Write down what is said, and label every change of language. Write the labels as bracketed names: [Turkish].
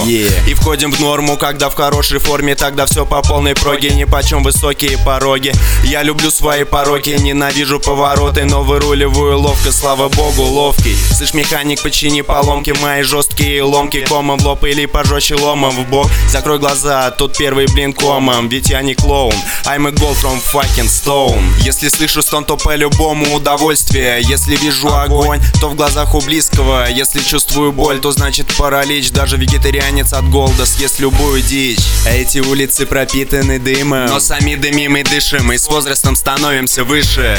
[Russian] И входим в норму, когда в хорошей форме. Тогда все по полной проге, нипочем высокие пороги. Я люблю свои пороки, ненавижу повороты, но выруливаю ловко, слава богу, ловкий. Слышь, механик, почини поломки, мои жесткие ломки комом в лоб или пожестче ломом в бок. Закрой глаза, тут первый блин комом, ведь я не клоун. [English] I'm a gold from fucking stone. [Russian] Если слышу стон, то по-любому удовольствие. Если вижу огонь, то в глазах у близкого. Если чувствую боль, то значит паралич. Даже вегетарианец от голода съест любую дичь. Эти улицы пропитаны дымом, но сами дымим и дышим, и с возрастом становимся выше.